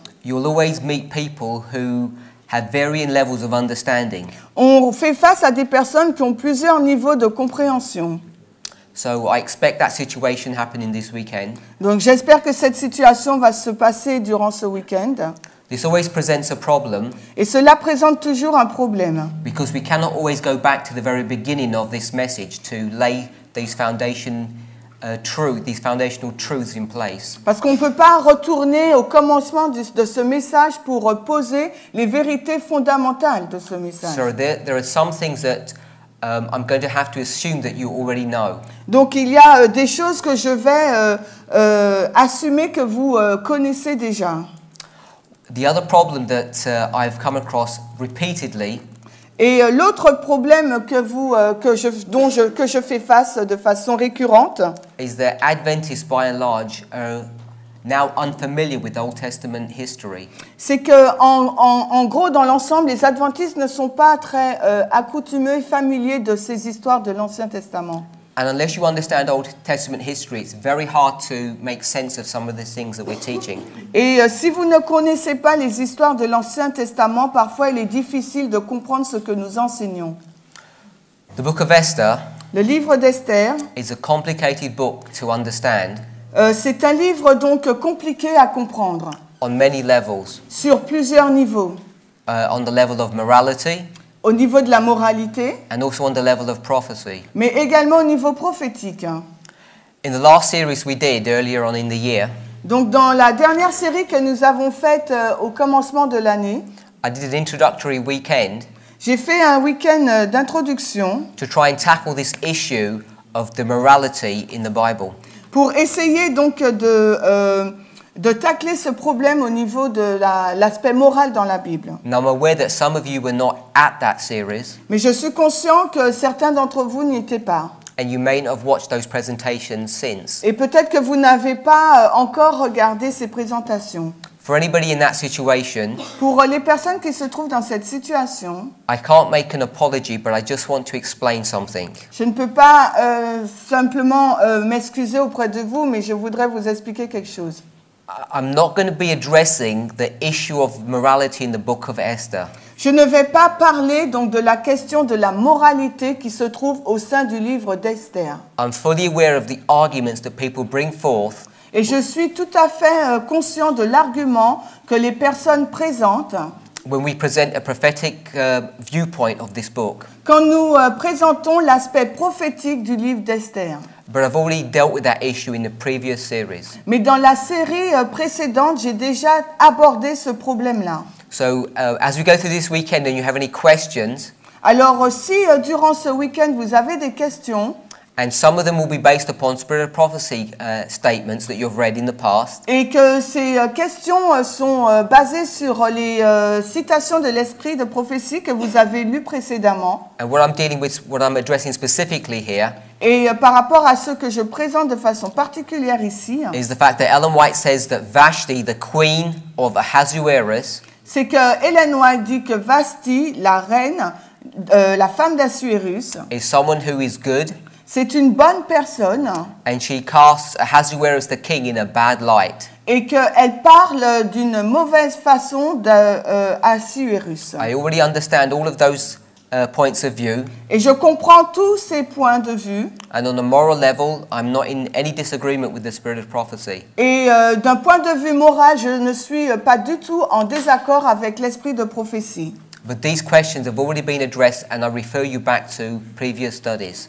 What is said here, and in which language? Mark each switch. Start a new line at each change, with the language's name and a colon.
English: you'll always meet people who have varying levels of understanding.
French: On fait face à des personnes qui ont plusieurs niveaux de compréhension.
English: So I expect that situation happening this weekend.
French: Donc j'espère que cette situation va se passer durant ce weekend.
English: This always presents a problem.
French: Et cela présente toujours un problème.
English: Because we cannot always go back to the very beginning of this message to lay these foundation these foundational truths in place.
French: Parce qu'on ne peut pas retourner au commencement de ce message pour poser les vérités fondamentales de ce message.
English: So there are some things that I'm going to have to assume that you already know.
French: Donc il y a des choses que je vais assumer que vous connaissez déjà.
English: The other problem that I've come across repeatedly.
French: Et l'autre problème que vous, que je fais face de façon récurrente,
English: is that Adventists, by and large, are now unfamiliar with Old Testament history.
French: C'est que, en gros, dans l'ensemble, les Adventistes ne sont pas très accoutumés et familiers de ces histoires de l'Ancien Testament.
English: And unless you understand Old Testament history, it's very hard to make sense of some of the things that we're teaching.
French: Et si vous ne connaissez pas les histoires de l'Ancien Testament, parfois il est difficile de comprendre ce que nous enseignons.
English: The Book of Esther.
French: Le livre d'Esther.
English: Is a complicated book to understand.
French: C'est un livre donc compliqué à comprendre.
English: On many levels.
French: Sur plusieurs niveaux.
English: On the level of morality.
French: Au niveau de la moralité,
English: and also on the level of prophecy.
French: Mais également au niveau prophétique.
English: In the last series we did earlier on in the year,
French: donc dans la dernière série que nous avons faite au commencement de l'année,
English: I did an introductory weekend,
French: j'ai fait un week-end d'introduction,
English: to try and tackle this issue of the morality in the Bible.
French: Pour essayer donc de tacler ce problème au niveau de l'aspect moral dans la Bible.
English: Now I'm aware that some of you were not at that series.
French: Mais je suis conscient que certains d'entre vous n'y étaient pas.
English: And you may not have watched those presentations since.
French: Et peut-être que vous n'avez pas encore regardé ces présentations.
English: For anybody in that situation,
French: pour les personnes qui se trouvent dans cette situation,
English: I can't make an apology, but I just want to explain something.
French: Je ne peux pas simplement m'excuser auprès de vous, mais je voudrais vous expliquer quelque chose.
English: I'm not going to be addressing the issue of morality in the book of Esther.
French: Je ne vais pas parler donc de la question de la moralité qui se trouve au sein du livre d'Esther.
English: I'm fully aware of the arguments that people bring forth.
French: Et je suis tout à fait conscient de l'argument que les personnes présentent.
English: When we present a prophetic viewpoint of this book.
French: Quand nous présentons l'aspect prophétique du livre d'Esther.
English: But I've already dealt with that issue in the previous series.
French: Mais dans la série précédente, j'ai déjà abordé ce problème-là.
English: So, as we go through this weekend and you have any questions.
French: Alors, si durant ce weekend vous avez des questions.
English: And some of them will be based upon spirit of prophecy statements that you've read in the past.
French: Et que ces questions sont basées sur les citations de l'esprit de prophétie que vous avez lues précédemment.
English: And what I'm dealing with, what I'm addressing specifically here.
French: Et par rapport à ce que je présente de façon particulière ici.
English: Is the fact that Ellen White says that Vashti, the queen of Ahasuerus.
French: C'est que Ellen White dit que Vashti, la reine, la femme d'Assuérus.
English: Is someone who is good.
French: C'est une bonne personne.
English: And she casts Ahasuerus the king in a bad light.
French: Et qu'elle parle d'une mauvaise façon d'Assuérus.
English: I already understand all of those points of view.
French: Et je comprends tous ces points de vue.
English: And on a moral level, I'm not in any disagreement with the spirit of prophecy.
French: Et d'un point de vue moral, je ne suis pas du tout en désaccord avec l'esprit de prophétie.
English: But these questions have already been addressed and I refer you back to previous studies.